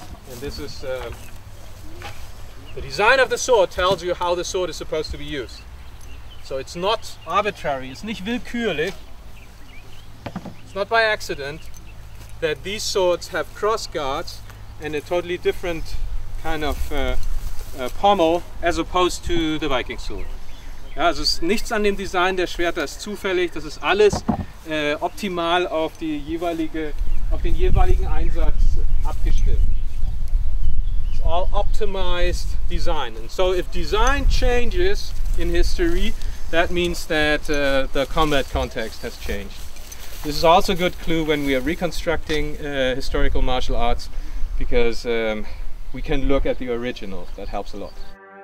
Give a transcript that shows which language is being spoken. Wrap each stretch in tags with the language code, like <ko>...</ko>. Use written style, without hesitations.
<en>And this is the design of the sword tells you how the sword is supposed to be used. So it's not arbitrary, it's</en> <de>nicht willkürlich.</de> <en>It's not by accident that these swords have cross guards and a totally different kind of pommel as opposed to the Viking sword.</en> <de>Ja, also ist nichts an dem Design der Schwerter ist zufällig, das ist alles optimal auf die jeweilige auf den jeweiligen Einsatz abgestimmt.</de> <en>All optimized design, and so if design changes in history, that means that the combat context has changed. This is also a good clue when we are reconstructing historical martial arts, because we can look at the originals. That helps a lot.</en>